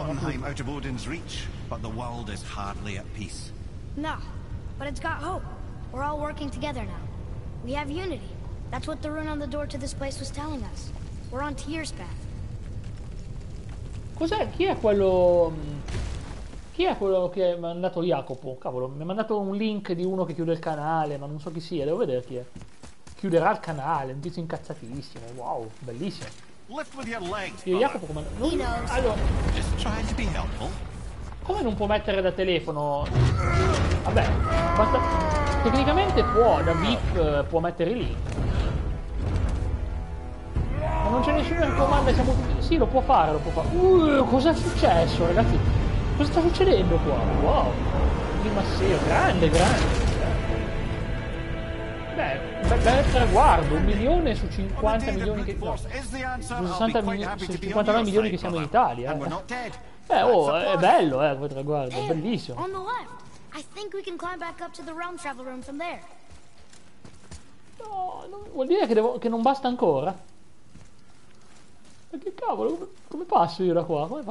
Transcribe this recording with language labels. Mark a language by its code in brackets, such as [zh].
[en] Onheim out of Odin's reach, but the world is hardly at peace. No, but it's got hope. We're all working together now. We have unity. That's what the rune on the door to this place was telling us. We're on Tyr's path. [it] Cos'è? Chi è quello che mi ha mandato Jacopo? Cavolo, mi ha mandato un link di uno che chiude il canale, ma non so chi sia. Devo vedere chi è. Chiuderà il canale. Un tizio incazzatissimo. Wow, bellissimo. [en] Lift with your legs. [it] Io Jacopo come... Non... Allora... [en] Just trying to be helpful. [it] Come non può mettere da telefono? Vabbè, basta... Tecnicamente può, da VIP può mettere lì. Ma non c'è nessuno che comanda, siamo tutti... Sì, lo può fare. Cos'è successo, ragazzi? Cosa sta succedendo qua? Wow! Ma sì, grande. Beh, bel traguardo, 1 milione su 50 milioni che... No, 59 milioni che siamo in Italia. Beh, oh, è bello, quel traguardo, è bellissimo. [en] I think we can climb back up to the realm travel room from there. [it] No, non vuol dire che non basta ancora? Ma che cavolo, come passo io da qua?